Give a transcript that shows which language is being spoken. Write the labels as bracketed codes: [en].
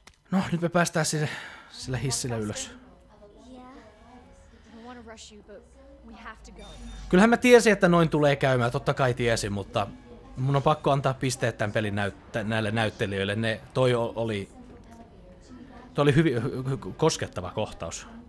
[fi] No, nyt me päästään sille hissille ylös. [en] Yeah. I don't want to rush you, but we have to go. [fi] Kyllähän mä tiesin, että noin tulee käymään. Totta kai tiesin, mutta... Mun on pakko antaa pisteet tämän pelin näille näyttelijöille. Toi oli hyvin koskettava kohtaus.